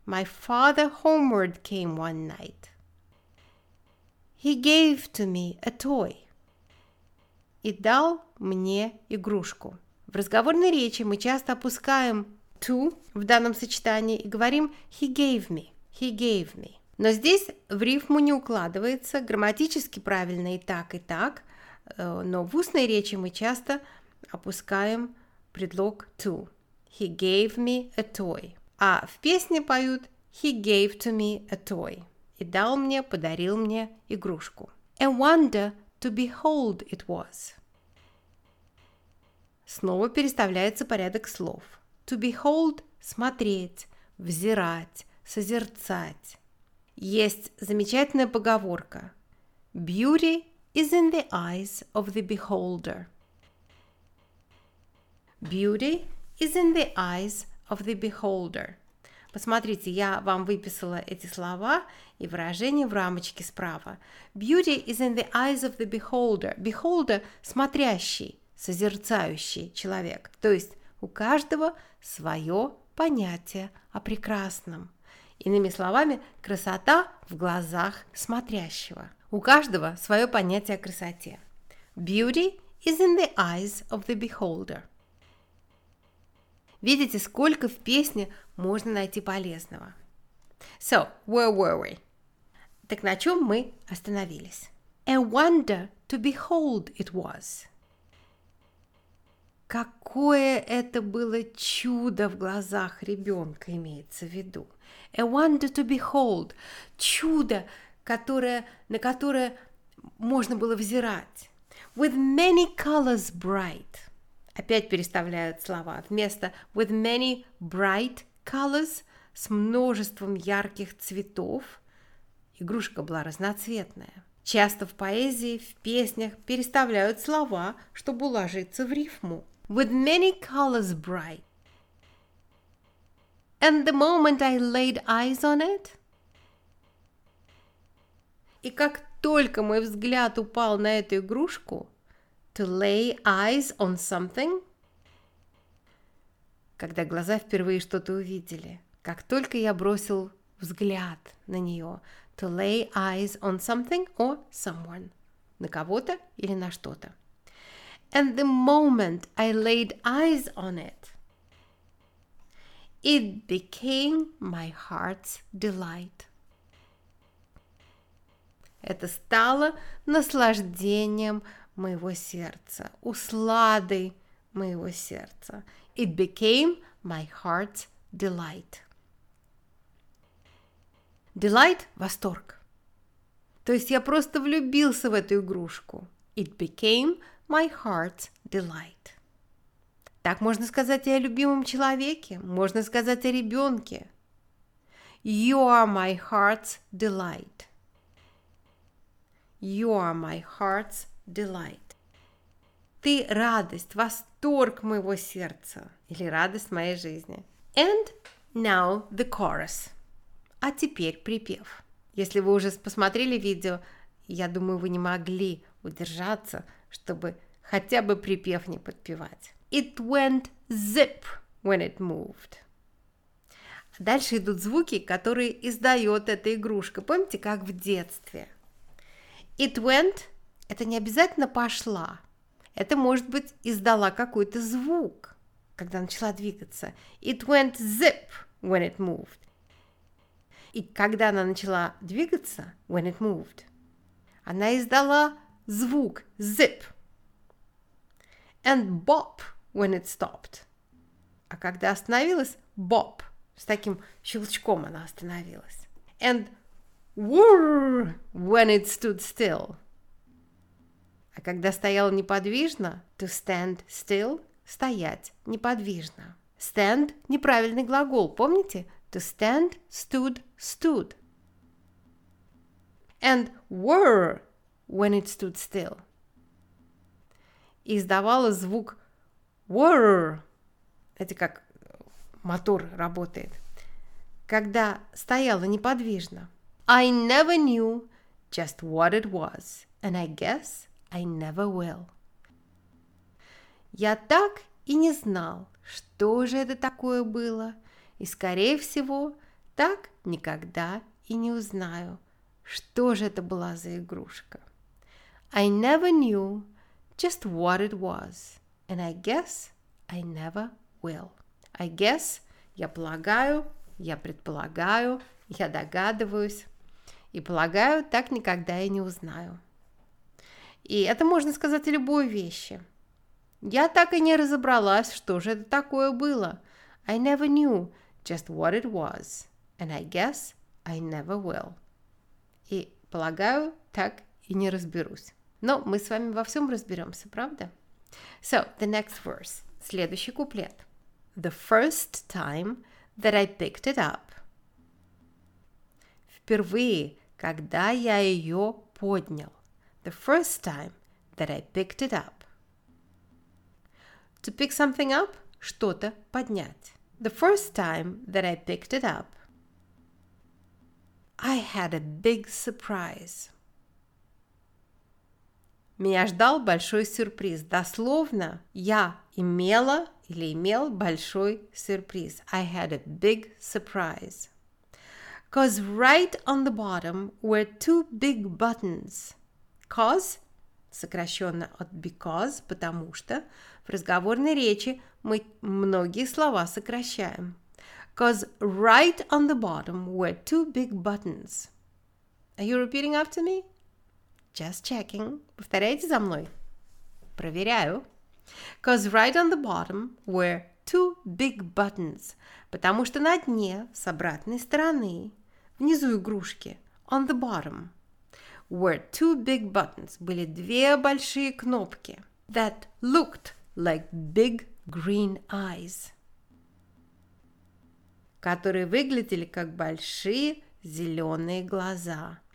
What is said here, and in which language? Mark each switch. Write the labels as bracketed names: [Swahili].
[English] My father homeward came one night. He gave to me a toy. [Russian] И дал мне игрушку. В разговорной речи мы часто опускаем to в данном сочетании и говорим [English] he gave me, he gave me. [Russian] Но здесь в рифму не укладывается, грамматически правильно и так, но в устной речи мы часто опускаем предлог to. [English] He gave me a toy. [Russian] А в песне поют [English] he gave to me a toy. [Russian] И дал мне, подарил мне игрушку. [English] A wonder to behold it was. [Russian] Снова переставляется порядок слов. [English] To behold [Russian] – смотреть, взирать, созерцать. Есть замечательная поговорка [English] «Beauty is in the eyes of the beholder». «Beauty is in the eyes of the beholder». [Russian] Посмотрите, я вам выписала эти слова и выражения в рамочке справа. [English] «Beauty is in the eyes of the beholder». [Russian] «Beholder» – смотрящий, созерцающий человек. То есть у каждого свое понятие о прекрасном. Иными словами, красота в глазах смотрящего. У каждого свое понятие о красоте. [English] Beauty is in the eyes of the beholder. [Russian] Видите, сколько в песне можно найти полезного. [English] So, where were we? [Russian] Так на чем мы остановились? [English] A wonder to behold it was. [Russian] Какое это было чудо в глазах ребенка, имеется в виду. [English] A wonder to behold. [Russian] Чудо, которое, на которое можно было взирать. [English] With many colors bright. [Russian] Опять переставляют слова. Вместо [English] with many bright colors, [Russian] с множеством ярких цветов. Игрушка была разноцветная. Часто в поэзии, в песнях переставляют слова, чтобы уложиться в рифму. [English] With many colors bright. And the moment I laid eyes on it. [Russian] И как только мой взгляд упал на эту игрушку, [English] to lay eyes on something. [Russian] Когда глаза впервые что-то увидели, как только я бросил взгляд на нее, [English] to lay eyes on something or someone. [Russian] На кого-то или на что-то. [English] And the moment I laid eyes on it, it became my heart's delight. [Russian] Это стало наслаждением моего сердца, усладой моего сердца. [English] It became my heart's delight. [Russian] Delight – восторг. То есть я просто влюбился в эту игрушку. [English] It became my heart's delight. [Russian] Так можно сказать и о любимом человеке, можно сказать о ребенке. [English] You are my heart's delight. You are my heart's delight. [Russian] Ты радость, восторг моего сердца или радость моей жизни. [English] And now the chorus. [Russian] А теперь припев. Если вы уже посмотрели видео, я думаю, вы не могли удержаться, чтобы хотя бы припев не подпевать. [English] It went zip when it moved. [Russian] Дальше идут звуки, которые издает эта игрушка. Помните, как в детстве? [English] It went [Russian] – это не обязательно пошла. Это, может быть, издала какой-то звук, когда начала двигаться. It went zip when it moved. И когда она начала двигаться, when it moved, она издала звук – zip. And bop when it stopped. А когда остановилась, боп, с таким щелчком она остановилась. [English] And whirr, when it stood still. [Russian] А когда стояла неподвижно, [English] to stand still, [Russian] стоять неподвижно. Stand – неправильный глагол, помните? [English] To stand, stood, stood. And whirr, when it stood still. [Russian] И издавала звук whirr. Это как мотор работает. Когда стояла неподвижно. [English] I never knew just what it was, and I guess I never will. [Russian] Я так и не знал, что же это такое было, и, скорее всего, так никогда и не узнаю, что же это была за игрушка. [English] I never knew just what it was, and I guess I never will. I guess, [Russian] я полагаю, я предполагаю, я догадываюсь, и полагаю, так никогда и не узнаю. И это можно сказать о любой вещи. Я так и не разобралась, что же это такое было. [English] I never knew just what it was, and I guess I never will. [Russian] И полагаю, так и не разберусь. Но мы с вами во всем разберемся, правда? [English] So, the next verse. [Russian] Следующий куплет. [English] The first time that I picked it up. [Russian] Впервые, когда я ее поднял. [English] The first time that I picked it up. To pick something up – [Russian] что-то поднять. [English] The first time that I picked it up. I had a big surprise. [Russian] Меня ждал большой сюрприз. Дословно, я имела или имел большой сюрприз. [English] I had a big surprise. Cause right on the bottom were two big buttons. [Russian] Cause – сокращенно от because – потому что. В разговорной речи мы многие слова сокращаем. [English] Cause right on the bottom were two big buttons. Are you repeating after me? Just checking. [Russian] Повторяйте за мной. Проверяю. [English] Cause right on the bottom were two big buttons. [Russian] Потому что на дне, с обратной стороны, внизу игрушки, [English] on the bottom, were two big buttons. [Russian] Были две большие кнопки. [English] That looked like big green eyes. [Russian] Которые выглядели как большие зеленые глаза.